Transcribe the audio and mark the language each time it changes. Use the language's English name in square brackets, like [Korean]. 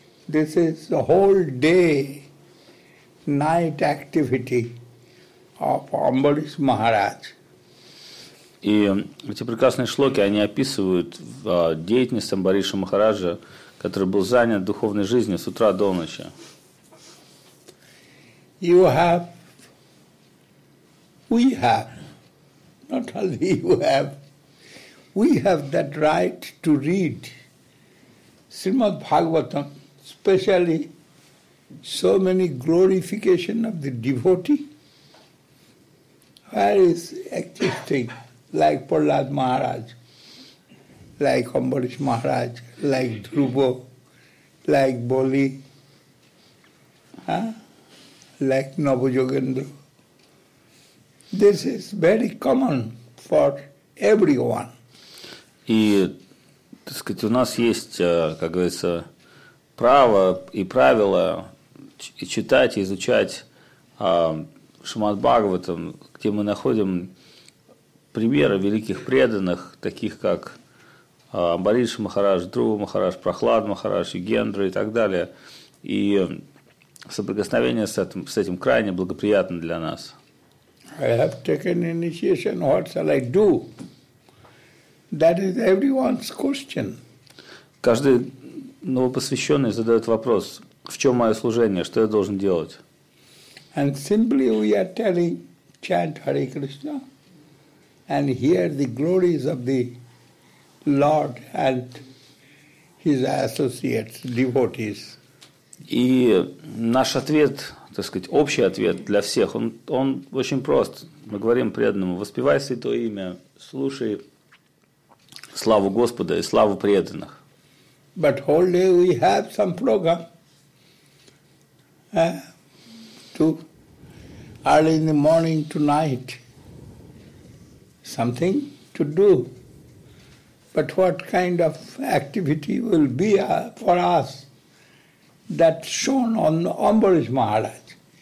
[English] This is the whole day night activity of Ambarish Maharaj. [Russian] И эти прекрасные шлоки, они описывают деятельность Амбариша Махараджа, который был занят духовной жизнью с утра до ночи. [English] You have, we have, not only we have that right to read Srimad Bhagavatam, especially so many glorification of the devotee. Where is existing? Like Prahlad Maharaj, like Ambarish Maharaj, like Dhruva, like Boli, like Navajogendra. This is very common for everyone. [Russian] И, так сказать, у нас есть, как говорится, право и правило читать и изучать Шримад Бхагаватам, где мы находим примеры великих преданных, таких как Амбариш Махарадж, Друва Махарадж, Прахлад Махарадж, Югендра и так далее. И соприкосновение с этим крайне благоприятно для нас. [English] I have taken initiation. What shall I do? That is everyone's question. [Russian] Каждый новопосвященный задает вопрос, в чем мое служение, что я должен делать? [English] And simply we are telling, chant Hare Krishna. And hear the glories of the Lord and His associates, devotees. [Russian] И наш ответ, так сказать, общий ответ для всех, он очень прост. Мы говорим преданному, воспевай Святое Имя, слушай славу Господа и славу преданных. [English] But whole day we have some program. To early in the morning to night. Something to do, but what kind of activity will be for us that shown on Ambarish Maharaj?